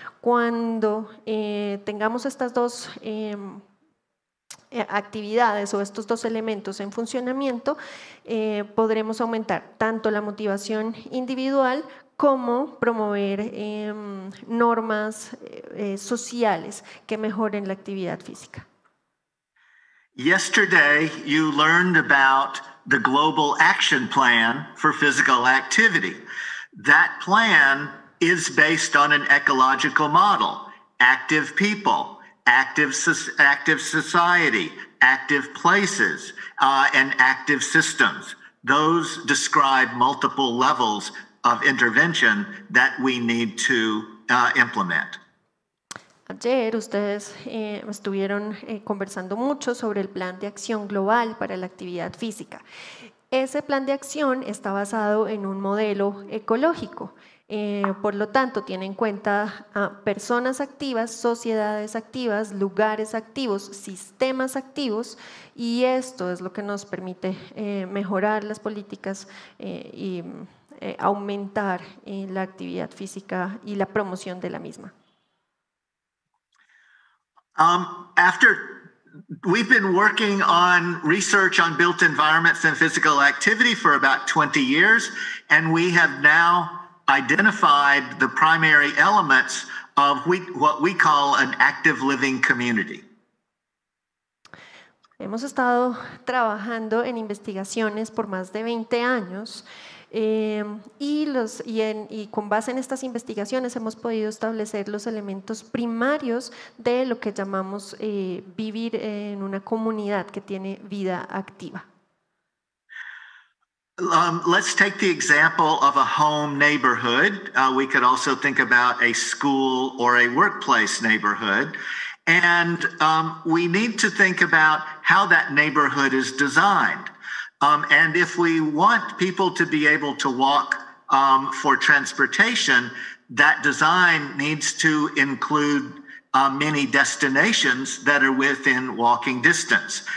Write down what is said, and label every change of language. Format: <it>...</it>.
<es>Cuando tengamos estas dos actividades o estos dos elementos en funcionamiento, podremos aumentar tanto la motivación individual como promover normas sociales que mejoren la actividad física.</es> <en>Yesterday, you learned about the Global Action Plan for Physical Activity. That plan is based on an ecological model: active people, active society, active places, and active systems. Those describe multiple levels of intervention that we need to implement.</en> <es>Ayer ustedes estuvieron conversando mucho sobre el plan de acción global para la actividad física. Ese plan de acción está basado en un modelo ecológico. Por lo tanto, tiene en cuenta a personas activas, sociedades activas, lugares activos, sistemas activos, y esto es lo que nos permite mejorar las políticas y aumentar la actividad física y la promoción de la misma.</es> <en>After we've been working on research on built environments and physical activity for about 20 years, and we have now identified the primary elements of what we call an active living community.</en> <es>Hemos estado trabajando en investigaciones por más de 20 años. Y con base en estas investigaciones hemos podido establecer los elementos primarios de lo que llamamos vivir en una comunidad que tiene vida activa.</es> <en>Let's take the example of a home neighborhood. We could also think about a school or a workplace neighborhood. And we need to think about how that neighborhood is designed. And if we want people to be able to walk for transportation, that design needs to include many destinations that are within walking distance.</en>